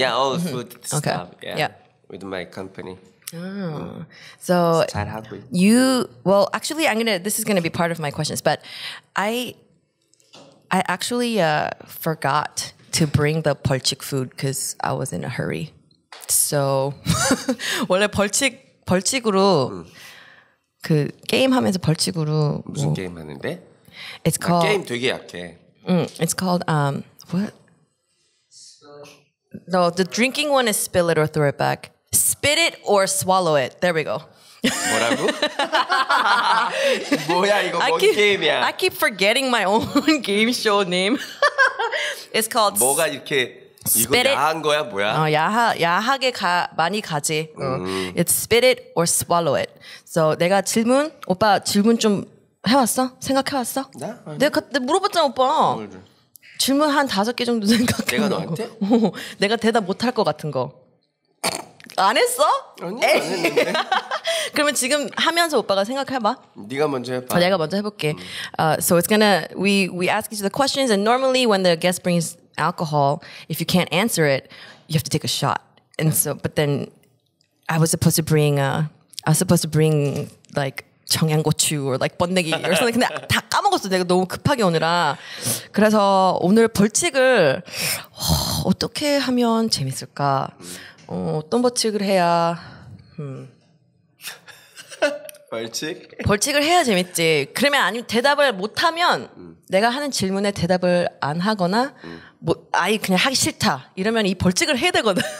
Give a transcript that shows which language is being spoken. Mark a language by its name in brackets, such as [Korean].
[English] Yeah, all mm-hmm. food stuff. Okay. Yeah. yeah. With my company. So you, well, actually this is going to be part of my questions, but I actually forgot to bring the 벌칙 food because I was in a hurry. So [Korean] 원래 벌칙으로 그 게임 하면서 벌칙으로 무슨 게임 하는데? [English] It's called [Korean] 게임 되게 약해. [English] It's called what? No, the drinking one is spill it or throw it back. Spit it or swallow it. There we go. [Korean] 뭐라고? 뭐야 이거 뭔 게임이야? [English] I keep forgetting my own game show name. It's called [Korean] 뭐가 이렇게 [English] spit [Korean] 이거 야한 [English] it. [Korean] 거야 뭐야? 야하게 많이 가지. [English] It's spit it or swallow it. So [Korean] 내가 질문 오빠 질문 좀 해왔어? 생각해왔어? 나? 내가 물어봤잖아 오빠. 질문 한 다섯 개 정도 생각해. 내가 너한테? 내가 대답 못할 것 같은 거. 안 했어? 아니, 안 했는데. 그러면 지금 하면서 오빠가 생각해봐. 네가 먼저 해봐. 내가 먼저 해볼게. [English] So it's gonna, we ask each other questions, and normally when the guest brings alcohol, if you can't answer it, you have to take a shot. And so, but then I was supposed to bring like 청양고추 or like 번데기 or something. [Korean] 근데 다 까먹었어. 내가 너무 급하게 오느라. 그래서 오늘 벌칙을 어떻게 하면 재밌을까? 어떤 벌칙을 해야 벌칙? 벌칙을 해야 재밌지. 그러면 아니 대답을 못하면 내가 하는 질문에 대답을 안 하거나 뭐 아예 그냥 하기 싫다 이러면 이 벌칙을 해야 되거든.